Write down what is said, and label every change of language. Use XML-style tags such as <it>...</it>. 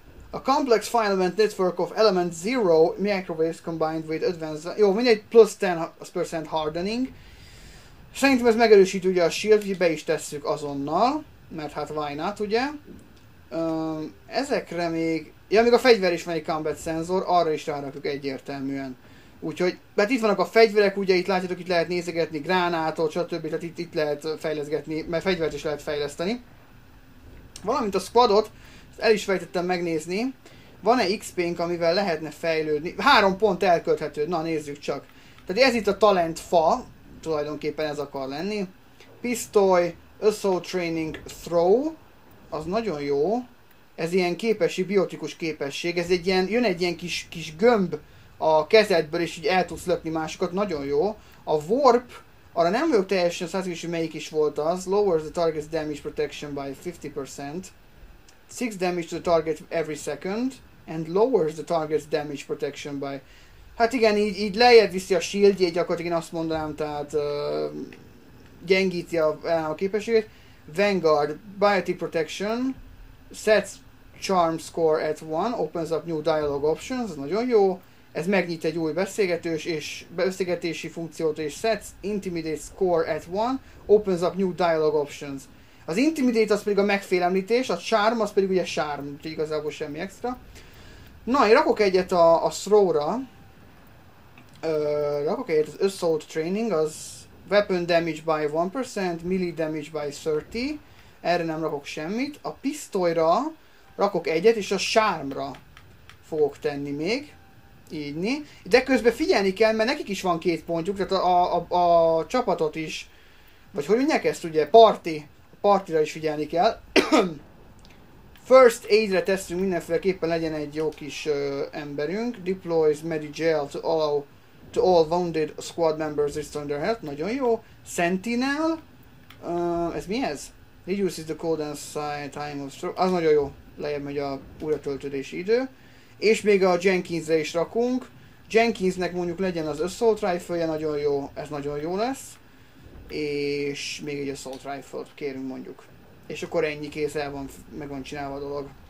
<en>A complex filament network of element 0 microwaves combined with advanced...</en> <hu>Jó, mindegy, plusz 10% hardening. Szerintem ez megerősít ugye a shield, hogy be is tesszük azonnal. Mert hát</hu> <en>why not,</en> <hu>ugye? Ezekre még... Ja, még a fegyver is van egy combat szenzor, arra is rárakjuk egyértelműen. Úgyhogy, mert itt vannak a fegyverek, ugye itt látjátok, itt lehet nézegetni gránátot, stb. Tehát itt lehet fejleszgetni, mert fegyvert is lehet fejleszteni. Valamint a squadot, el is fejtettem megnézni. Van-e XP-nk, amivel lehetne fejlődni? 3 pont elkölthető. Na, nézzük csak. Tehát ez itt a talent fa. Tulajdonképpen ez akar lenni. Pisztoly, assault training, throw. Az nagyon jó. Ez ilyen képesség, biotikus képesség. Ez egy ilyen, jön egy ilyen kis gömb a kezedből, és így el tudsz löpni másokat. Nagyon jó. A warp, arra nem vagyok teljesen százalékos, hogy melyik is volt az.</hu> <en>Lowers the target's damage protection by 50%. 6 damage to the target every second, and lowers the target's damage protection by...</en> <hu>Hát igen, így lejjebb viszi a shieldjét, gyakorlatilag én azt mondanám, tehát gyengíti a képességét.</hu> <en>Vanguard, biotic protection, sets charm score at 1, opens up new dialogue options,</en> <hu>ez nagyon jó. Ez megnyit egy új beszélgetős és beszélgetési funkciót, és</hu> <en>sets Intimidate Score at 1, opens up new dialogue options.</en> <hu>Az Intimidate az pedig a megfélemlítés, a Charm az pedig ugye Charm, úgyhogy igazából semmi extra. Na, én rakok egyet a Throw-ra. Rakok egyet az</hu> <en>Assault Training, az Weapon Damage by 1%, Melee Damage by 30%.</en> <hu>Erre nem rakok semmit. A pisztolyra rakok egyet, és a Charm-ra fogok tenni még. Így, de közben figyelni kell, mert nekik is van két pontjuk, tehát a csapatot is, vagy hogy mondják ezt ugye, partira is figyelni kell. First aid-re tesszünk mindenféleképpen, legyen egy jó kis emberünk.</hu> <en>Deploys Medigel to allow to all wounded squad members restore their health.</en> <hu>Nagyon jó.</hu> <en>Sentinel.</en> <hu>Ez mi ez?</hu> <en>Reduces the cooldown time of stroke.</en> <hu>Az nagyon jó. Lejjebb megy a újratöltődési idő. És még a Jenkinsre is rakunk. Jenkinsnek mondjuk legyen az Assault Rifle-je, nagyon jó, ez nagyon jó lesz. És még egy Assault Rifle-t kérünk mondjuk. És akkor ennyi, kész, el van, meg van csinálva a dolog.</hu>